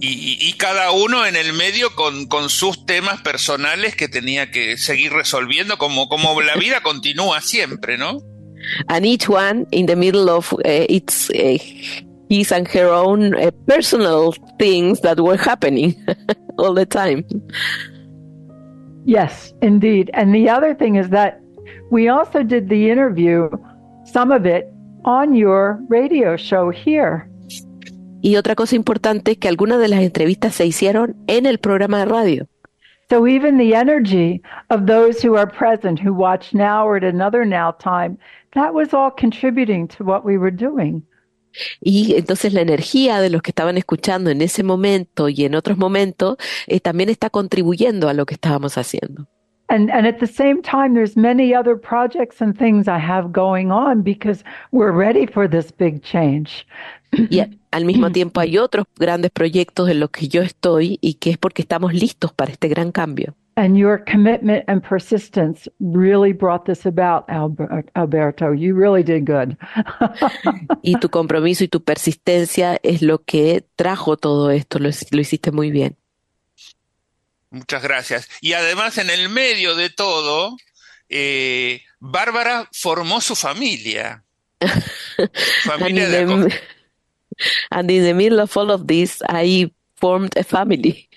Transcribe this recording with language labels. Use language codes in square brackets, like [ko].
[es] Y cada uno en el medio con sus temas personales que tenía que seguir resolviendo, como la vida continúa siempre, ¿no? [en] And each one in the middle of its his and her own personal things that were happening all the time. Yes, indeed. And the other thing is that we also did the interview, some of it, on your radio show here. [es] Y otra cosa importante es que algunas de las entrevistas se hicieron en el programa de radio. [en] So even the energy of those who are present, who watch now or at another now time, that was all contributing to what we were doing. [es] Y entonces la energía de los que estaban escuchando en ese momento y en otros momentos también está contribuyendo a lo que estábamos haciendo. [en] And at the same time, there's many other projects and things I have going on because we're ready for this big change. [es] Y al mismo tiempo hay otros grandes proyectos en los que yo estoy y que es porque estamos listos para este gran cambio. [en] And your commitment and persistence really brought this about, Alberto. You really did good. [es] Y tu compromiso y tu persistencia es lo que trajo todo esto. Lo hiciste muy bien. Muchas gracias. Y además, en el medio de todo, Bárbara formó su familia. Familia de [en] And in the middle of all of this, I formed a family,